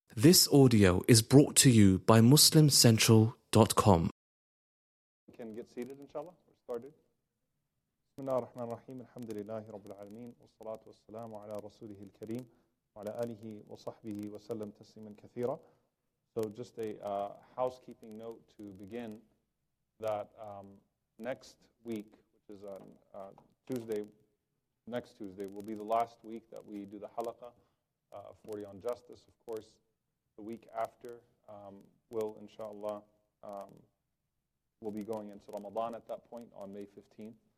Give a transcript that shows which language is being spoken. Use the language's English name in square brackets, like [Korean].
[English] This audio is brought to you by MuslimCentral.com. Can get seated, inshallah. We're started. [Arabic] بسم الله الرحمن الرحيم الحمد لله رب العالمين والصلاة والسلام على رسوله الكريم وعلى آله وصحبه وسلم تسليما كثيرا. [English] So just a housekeeping note to begin that next week, which is on Tuesday, next Tuesday will be the last week that we do the halaqa 40 on justice. Of course, the week after will, inshallah, we'll be going into Ramadan at that point on May 15th.